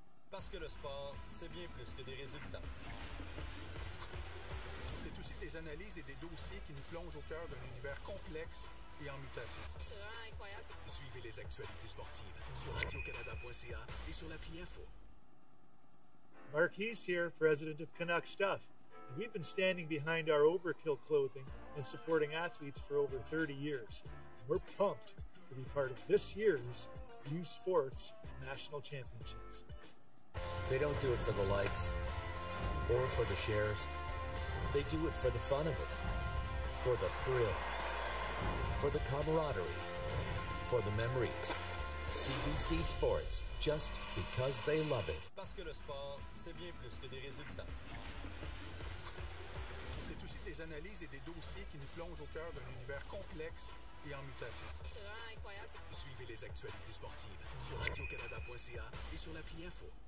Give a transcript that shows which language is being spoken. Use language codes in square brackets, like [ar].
[fr] Parce que le sport, c'est bien plus que des résultats. C'est aussi des analyses et des dossiers qui nous plongent au cœur d'un univers complexe et en mutation. C'est vraiment incroyable. Suivez les actualités sportives sur radiocanada.ca et sur l'appli Info. [en] Mark Hees here, president of Canuck Stuff. We've been standing behind our Overkill clothing and supporting athletes for over 30 years. We're pumped to be part of this year's U Sports National Championships. They don't do it for the likes or for the shares. They do it for the fun of it, for the thrill, for the camaraderie, for the memories. CBC Sports, just because they love it. [fr] Parce que le sport, c'est bien plus que des résultats. C'est aussi des analyses et des dossiers qui nous plongent au cœur d'un univers complexe et en mutation. C'est vraiment incroyable. Suivez les actualités sportives sur radiocanada.ca et sur l'appli Info.